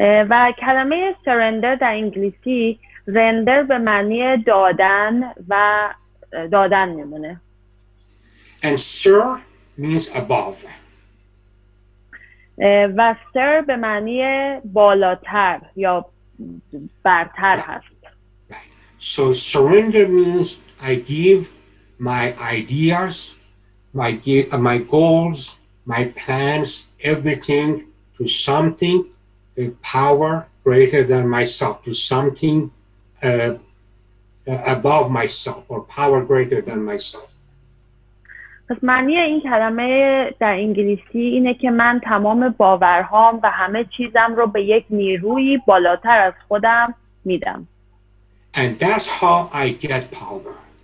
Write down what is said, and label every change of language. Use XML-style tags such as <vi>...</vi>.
<fa>و کلمه surrender در انگلیسی render به معنی دادن و دادن میمونه.</fa> <en>And sir means above.</en> <fa>و sir به معنی بالاتر یا برتر هست.</fa> <en>Right. So surrender means I give my ideas, my goals, my plans, everything to something. A power greater than myself, to something above myself, or power greater than myself.</en> <fa>پس معنی این کلمه در انگلیسی اینه که من تمام باورهام و همه چیزم رو به یک نیروی بالاتر از خودم میدم.</fa> <en>And that's how I get power.</en>